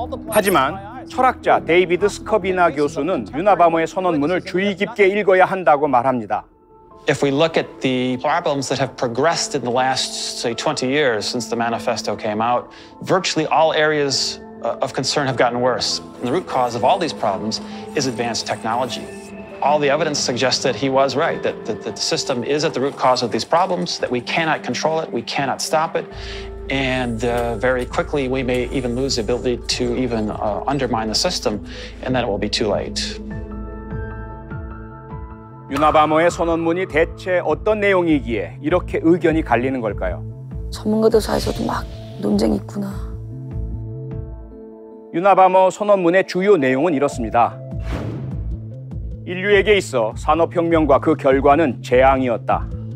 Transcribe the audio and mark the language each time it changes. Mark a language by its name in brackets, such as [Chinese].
[Korean] 하지만 철학자 데이비드 스커비나 교수는 유나바머의 선언문을 주의 깊게 읽어야 한다고 말합니다. [English] If we look at the problems that have progressed in the last, say, 20 years since the manifesto came out, virtually all areas of concern have gotten worse. And the root cause of all these problems is advanced technology. All the evidence suggests that he was right, that the system is at the root cause of these problems, that we cannot control it, we cannot stop it, and very quickly we may even lose the ability to even undermine the system, and then it will be too late. [Korean] 유나바머의 선언문이 대체 어떤 내용이기에 이렇게 의견이 갈리는 걸까요? 전문가들 사이에서도 막 논쟁이 있구나. 유나바머 선언문의 주요 내용은 이렇습니다. 인류에게 있어 산업혁명과 그 결과는 재앙이었다.